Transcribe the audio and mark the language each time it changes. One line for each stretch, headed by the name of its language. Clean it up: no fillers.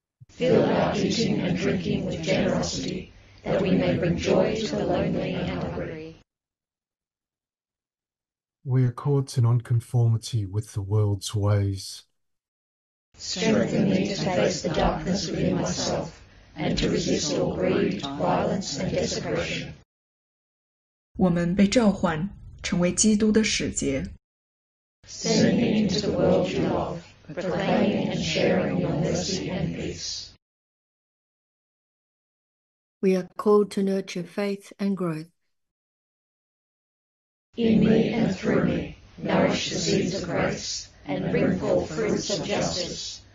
English: Fill our eating and drinking with generosity, that we may bring joy to the lonely and hungry. We are caught in nonconformity with the world's ways. Strengthen me to face the darkness within myself and to resist all greed, violence, and desecration.
Chinese: 我们被召唤, 成为基督的使节,
English: sending into the world you love, proclaiming and sharing your mercy and peace. We are called to nurture faith and growth. In me and through me, nourish the seeds of grace and bring forth fruits of justice.